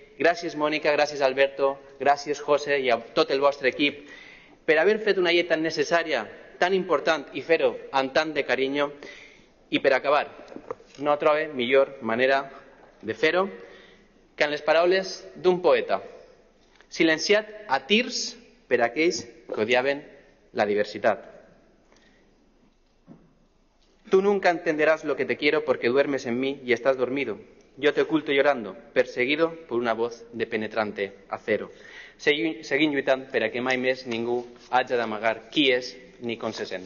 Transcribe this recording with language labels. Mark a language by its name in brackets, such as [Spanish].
[Catalan] Gràcies Mònica, gràcies Alberto, gràcies José i a tot el vostre equip per haver fet una llei tan necessària, tan important i fer-ho amb tant de carinyo. I per acabar, no trobo millor manera de fer-ho que en les paraules d'un poeta, silenciat a tirs per aquells que odiaven la diversitat. [Spanish] Tú nunca entenderás lo que te quiero porque duermes en mí y estás dormido. Yo te oculto llorando, perseguido por una voz de penetrante acero. [Catalan] Seguim lluitant per a que mai més ningú hagi d'amagar qui és ni com se sent.